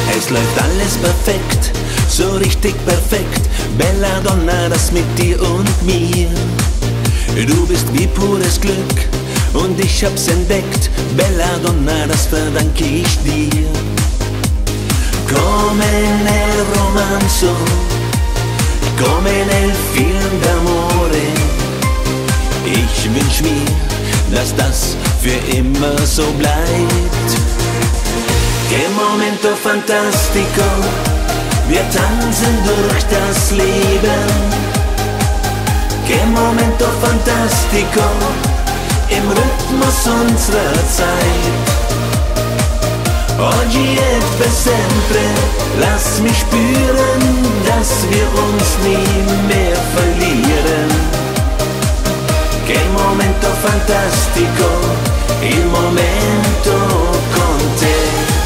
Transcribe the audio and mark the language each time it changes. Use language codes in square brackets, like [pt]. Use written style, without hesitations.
[de] läuft alles perfekt, so richtig perfekt. Bella Donna, das mit dir und mir. Du bist wie pures Glück und ich hab's entdeckt. Bella Donna, das verdanke ich dir. [it] Come nel romanzo, come nel film d'amore. [de] Ich wünsch mir, dass das für immer so bleibt. [it] Che momento fantastico, [de] wir tanzen durch das Leben. [it] Che momento fantastico, [de] im Rhythmus unserer Zeit. [it] Oggi e per sempre, [de] lass mich spüren, dass wir uns nie mehr verlieren. [it] Che momento fantastico, il momento con te.